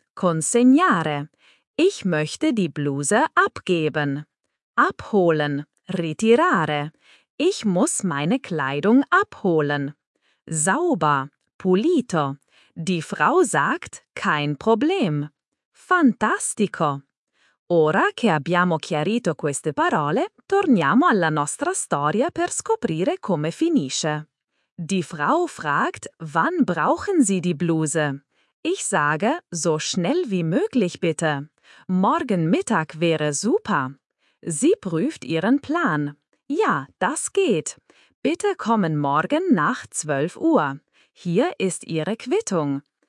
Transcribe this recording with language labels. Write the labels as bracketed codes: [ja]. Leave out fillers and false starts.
[de] Consegnare. Ich möchte die Bluse abgeben. Abholen. Ritirare. Ich muss meine Kleidung abholen. Sauber. Pulito. Die Frau sagt, kein Problem. [it] Fantastico. Ora che abbiamo chiarito queste parole, torniamo alla nostra storia per scoprire come finisce. [de] Die Frau fragt, wann brauchen Sie die Bluse? Ich sage, so schnell wie möglich bitte. Morgen Mittag wäre super. Sie prüft ihren Plan. Ja, das geht. Bitte kommen morgen nach 12 Uhr. Hier ist Ihre Quittung.